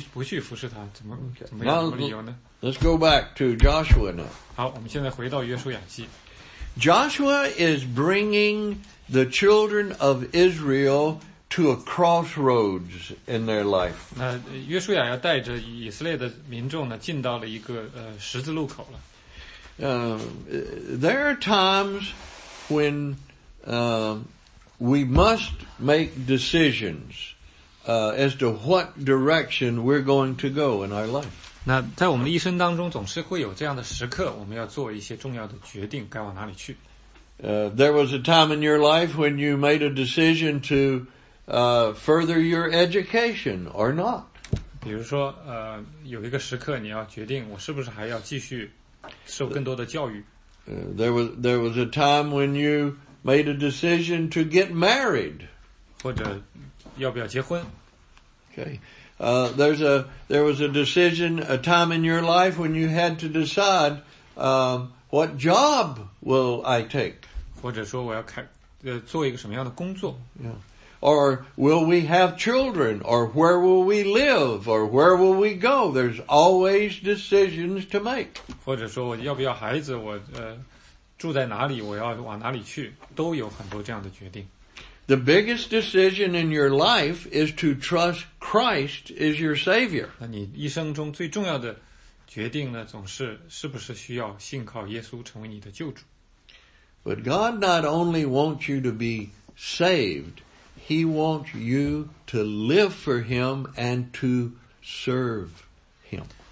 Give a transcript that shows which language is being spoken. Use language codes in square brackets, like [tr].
[zh] 因为没有什么更好的理由啊，你说你不去服侍他，怎么有什么理由呢？ [en] Now, let's go back to Joshua now. [zh] 好，我们现在回到约书亚记。 [en] Joshua is bringing the children of Israel to a crossroads in their life. [zh] 那约书亚要带着以色列的民众呢，进到了一个十字路口了。 [en] There are times when we must make decisions as to what direction we're going to go in our life. [zh] 那在我们的一生当中，总是会有这样的时刻，我们要做一些重要的决定，该往哪里去。 [en] There was a time in your life when you made a decision to further your education or not. [zh] 比如说，有一个时刻，你要决定我是不是还要继续受更多的教育。 [en] There was a time when you made a decision to get married. [zh] 或者要不要结婚? [en] Okay. There was a decision, a time in your life when you had to decide, what job will I take? [zh] 或者说我要做一个什么样的工作? [en] Yeah. Or will we have children? Or where will we live? Or where will we go? There's always decisions to make. [zh] 或者说我要不要孩子,我住在哪里,我要往哪里去,都有很多这样的决定。 [en] The biggest decision in your life is to trust Christ as your Savior. [zh] 那你一生中最重要的决定呢,总是是不是需要信靠耶稣成为你的救主? [en] But God not only wants you to be saved, He wants you to live for Him and to serve Him.